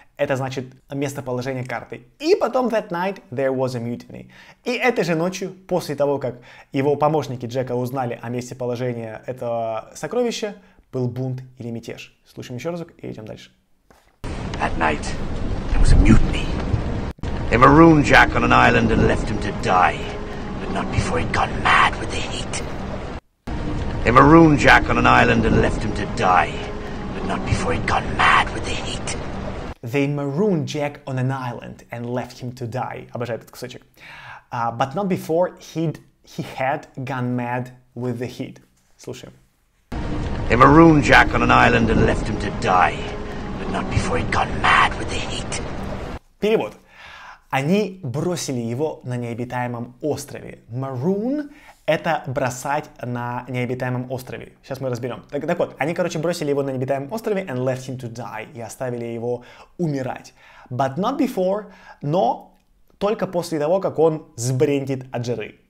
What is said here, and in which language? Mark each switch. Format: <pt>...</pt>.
<ru>Это значит местоположение карты. И потом</ru> <en>«That night there was a mutiny».</en> <ru>И этой же ночью, после того, как его помощники Джека узнали о месте положения этого сокровища, был бунт или мятеж. Слушаем еще разок и идем дальше.</ru> <en>That night there was a mutiny. They marooned Jack on an island and left him to die, but not before he'd gone mad with the heat. They marooned Jack on an island and left him to die, but not before he'd gone mad with the heat. They marooned Jack on an island and left him to die.</en> <ru>Обожаю этот кусочек.</ru> <en>But not before he had gone mad with the heat.</en> <ru>Слушаем.</ru> <en>They marooned Jack on an island and left him to die. Not before he'd gone mad with the heat.</en> <ru>Перевод. Они бросили его на необитаемом острове. Maroon — это бросать на необитаемом острове. Сейчас мы разберем. Так вот, они, короче, бросили его на необитаемом острове</ru> <en>and left him to die,</en> <ru>и оставили его умирать.</ru> <en>But not before,</en> <ru>но только после того, как он сбрендит от жары.</ru>